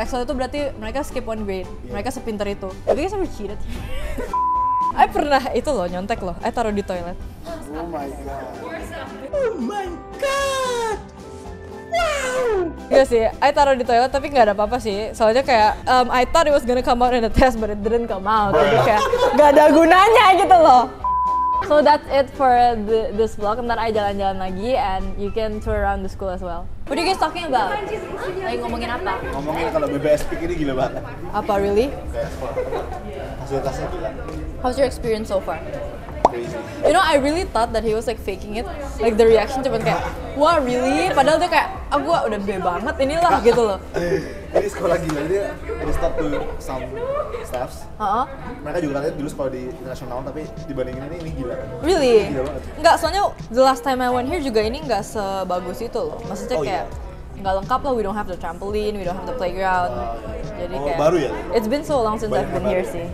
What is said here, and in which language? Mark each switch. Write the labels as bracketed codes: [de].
[id] Excel itu berarti mereka [en] skip one grade. [id] Yeah. Mereka sepinter itu. Tapi kan sampai cheated. I pernah itu loh nyontek loh. I taruh di toilet. [en] Oh my god. [id] Oh my god. Wow. Iya sih, I taruh di toilet tapi nggak ada apa-apa sih. [en] Soalnya kayak I thought it was gonna come out in the test, but it didn't come out. [id] Jadi kayak nggak ada gunanya gitu loh. [en] So that's it for this vlog. [id] Ntar I jalan-jalan lagi [en] and you can tour around the school as well. What are you guys talking about? [id] Lagi ngomongin apa? Ngomongin kalau BBS pick ini gila banget. Apa [en] really? [id] Fasilitasnya gila. [en] How's your experience so far? Crazy. You know, I really thought that he was like faking it. Like the reaction [id] cuman kayak, wah [en] really? [id] Padahal dia kayak, ah gua udah B banget inilah gitu loh. Ini sekolah gila, dia [en] reached out to some staffs. Uh-huh. [id] Mereka juga katanya dulu sekolah di internasional, tapi dibandingin ini gila. [en] Really? [id] Ini gila banget. Enggak, soalnya [en] the last time I went here [id] juga ini enggak sebagus itu loh. Maksudnya kayak, enggak lengkap lah, [en] we don't have the trampoline, we don't have the playground. [id] Jadi kayak, baru ya? [en] It's been so long since I've been here [id] sih.